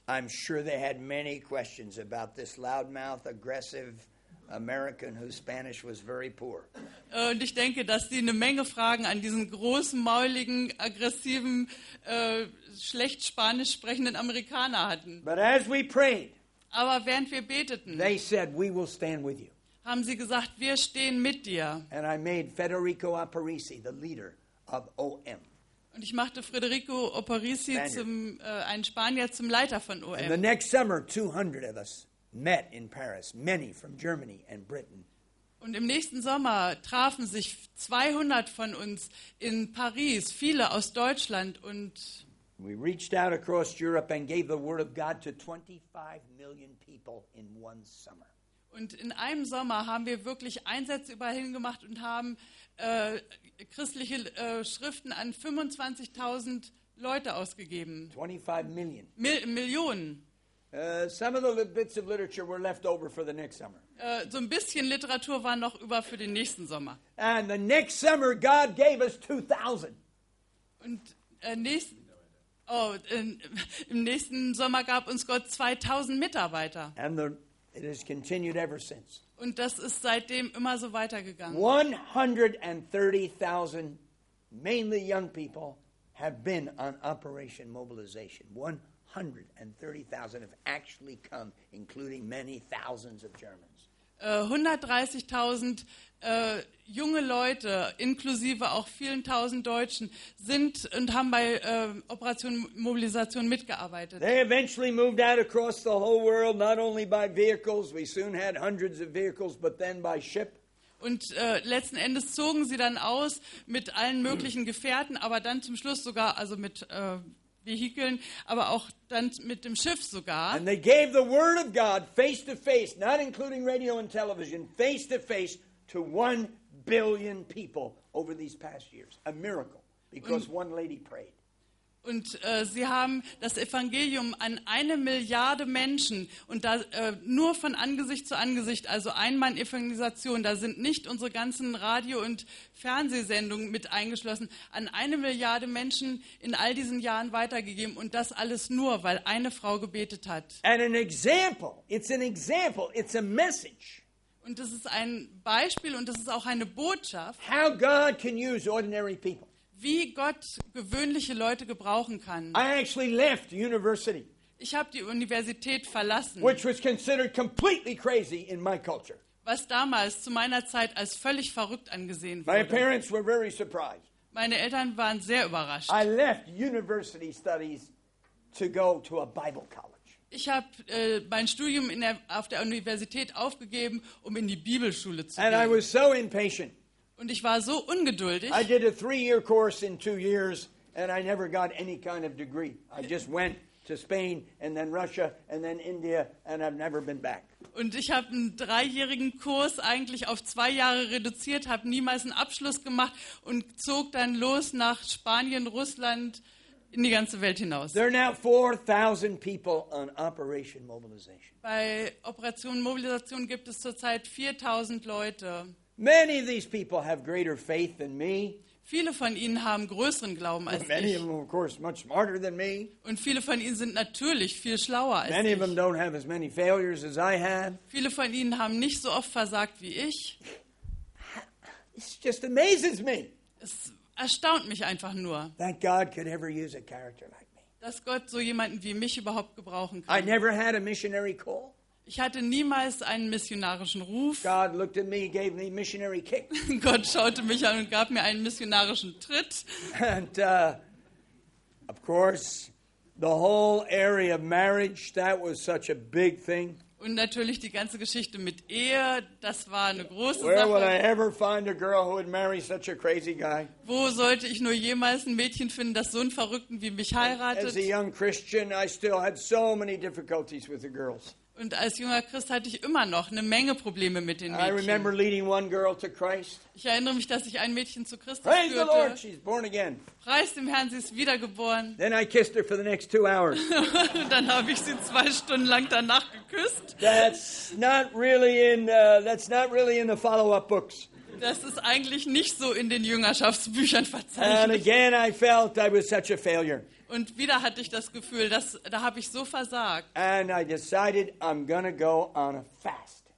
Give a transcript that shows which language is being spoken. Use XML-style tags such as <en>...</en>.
<en>I'm sure they had many questions about this loudmouth, aggressive American whose Spanish was very poor.</en> <de>Und ich denke, dass sie eine Menge Fragen an diesen großen, mauligen, aggressiven, schlecht Spanisch sprechenden Amerikaner hatten.</de> <en>But as we prayed,</en> <de>aber während wir beteten,</de> <en>they said, we will stand with you.</en> <de>Haben sie gesagt, wir stehen mit dir.</de> <en>And I made Federico Aparisi the leader of OM.</en> <de>Und ich machte Federico Aparisi zum einen Spanier zum Leiter von OM.</de> <en>And the next summer, 200 of us met in Paris, many from Germany and Britain.</en> <de>Und im nächsten Sommer trafen sich 200 von uns in Paris, viele aus Deutschland und</de> <en>we reached out across Europe and gave the word of God to 25 million people in one summer.</en> <de>Und in einem Sommer haben wir wirklich Einsätze überall hingemacht und haben christliche Schriften an 25.000 Leute ausgegeben.</de> <en>25 million.</en> <de>Millionen.</de> <en>Some of the bits of literature were left over for the next summer.</en> <de>So ein bisschen Literatur war noch über für den nächsten Sommer.</de> <en>And the next summer God gave us 2,000.</en> <de>Und im nächsten Sommer gab uns Gott 2,000 Mitarbeiter.</de> <en>And it has continued ever since.</en> <de>Und das ist seitdem immer so weitergegangen.</de> <en>130,000 mainly young people have been on Operation Mobilization. 130,000 have actually come, including many thousands of Germans.</en> <de>130,000 junge Leute, inklusive auch vielen tausend Deutschen, sind und haben bei Operation Mobilisation mitgearbeitet.</de> <en>They eventually moved out across the whole world, not only by vehicles, we soon had hundreds of vehicles, but then by ship.</en> <de>Und letzten Endes zogen sie dann aus mit allen möglichen Gefährten, aber dann zum Schluss sogar, also mit Vehikeln, aber auch dann mit dem Schiff sogar.</de> <en>And they gave the word of God face to face, not including radio and television, face to face to 1 billion people over these past years. A miracle, because one lady prayed.</en> <de>Und sie haben das Evangelium an 1 Milliarde Menschen und da nur von Angesicht zu Angesicht, also Ein-Mann-Evangelisation, da sind nicht unsere ganzen Radio- und Fernsehsendungen mit eingeschlossen, an 1 Milliarde Menschen in all diesen Jahren weitergegeben und das alles nur, weil eine Frau gebetet hat.</de> <en>And an example, it's an example, it's a message.</en> <de>Und das ist ein Beispiel und das ist auch eine Botschaft.</de> <en>How God can use ordinary people.</en> <de>Wie Gott gewöhnliche Leute gebrauchen kann.</de> <en>I actually left university.</en> <de>Ich habe die Universität verlassen.</de> <en>Which was considered completely crazy in my culture.</en> <de>Was damals zu meiner Zeit als völlig verrückt angesehen wurde.</de> <en>My parents were very surprised.</en> <de>Meine Eltern waren sehr überrascht.</de> <en>I left university studies to go to a Bible college.</en> <de>Ich habe mein Studium auf der Universität aufgegeben, um in die Bibelschule zu gehen.</de> <en>And I was so impatient.</en> <de>Und ich war so ungeduldig.</de> <en>I did a 3-year course in 2 years and I never got any kind of degree. I just went to Spain and then Russia and then India and I've never been back.</en> <de>Und ich habe einen 3-jährigen Kurs eigentlich auf 2 Jahre reduziert, habe niemals einen Abschluss gemacht und zog dann los nach Spanien, Russland, in die ganze Welt hinaus.</de> <en>There are now 4,000 people on Operation Mobilization.</en> <de>Bei Operation Mobilisation gibt es zurzeit 4,000 Leute.</de> <en>Many of these people have greater faith than me.</en> <de>Viele von ihnen haben größeren Glauben als ich.</de> <en>Many of them, of course, much smarter than me.</en> <de>Und viele von ihnen sind natürlich viel schlauer als ich.</de> <en>Many of them don't have as many failures as I had.</en> <de>Viele von ihnen haben nicht so oft versagt wie ich.</de> <en>It just amazes me.</en> <de>Es erstaunt mich einfach nur.</de> <en>That God could ever use a character like me.</en> <de>Dass Gott so jemanden wie mich überhaupt gebrauchen kann.</de> <en>I never had a missionary call.</en> <de>Ich hatte niemals einen missionarischen Ruf.</de> <en>God looked at me, gave me missionary kick.</en> <de>Gott schaute mich an und gab mir einen missionarischen Tritt.</de> <en>And of course, the whole area of marriage, that was such a big thing.</en> <de>Und natürlich die ganze Geschichte mit Ehe, das war eine große</de> <en>Where</en> <de>Sache.</de> <en>Would I ever find a girl who would marry such a crazy guy?</en> <de>Wo sollte ich nur jemals ein Mädchen finden, das so einen Verrückten wie mich heiratet?</de> <en>As a young Christian, I still had so many difficulties with the girls.</en> <de>Und als junger Christ hatte ich immer noch eine Menge Probleme mit den Mädchen.</de> <en>I remember leading one girl to Christ.</en> <de>Ich erinnere mich, dass ich ein Mädchen zu Christus</de> <en>Praise</en> <de>führte.</de> <en>The Lord, she's born again.</en> <de>Preis dem Herrn, sie ist wiedergeboren.</de> <en>Then I kissed her for the next 2 hours.</en> <de>Und dann habe ich sie 2 Stunden lang danach geküsst.</de> <en>That's not really in the follow-up books.</en> <de>Das ist eigentlich nicht so in den Jüngerschaftsbüchern verzeichnet.</de> <en>And again I felt I was such a failure.</en> <de>Und wieder hatte ich das Gefühl, dass, da habe ich so versagt.</de> <en>And I decided I'm gonna go on a fast.</en>